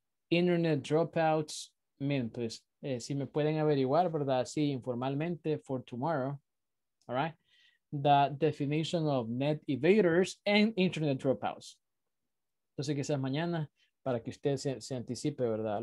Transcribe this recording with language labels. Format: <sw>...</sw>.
<en>Internet dropouts mean,</en> <es>pues, si me pueden averiguar, ¿verdad? Así informalmente</es> <en>for tomorrow. All right. The definition of net evaders and internet dropouts.</en> <es>Entonces quizás mañana para que usted se anticipe, ¿verdad?</es>